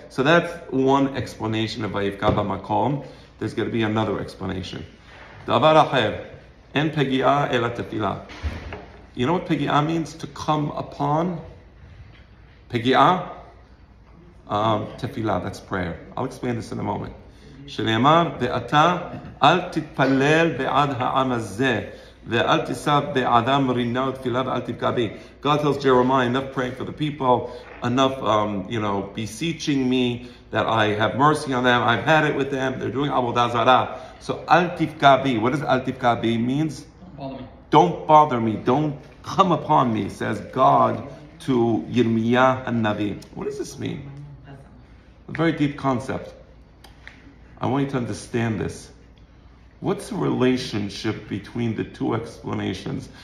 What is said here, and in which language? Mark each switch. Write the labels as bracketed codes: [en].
[en] So that's one explanation of Vayivka b'makom. There's going to be another explanation. [he] Davar achar. En pegi'a ela tefila. [en] You know what pegi'a means? To come upon. Pegi'a. Tefila. That's prayer. I'll explain this in a moment. [he] שנאמר, ואתה אל תתפלל בעד העם הזה, ואל תישא בעדם רינה ותפילה ואל תפגע בי. [en] God tells Jeremiah, enough praying for the people, enough, you know, beseeching me that I have mercy on them, I've had it with them, they're doing avodah zarah. So [he] אל תפגע בי, [en] what does אל תפגע בי means? Don't bother me. Don't come upon me, says God to Yirmiyah Hanavi. What does this mean? A very deep concept. I want you to understand this. What's the relationship between the two explanations?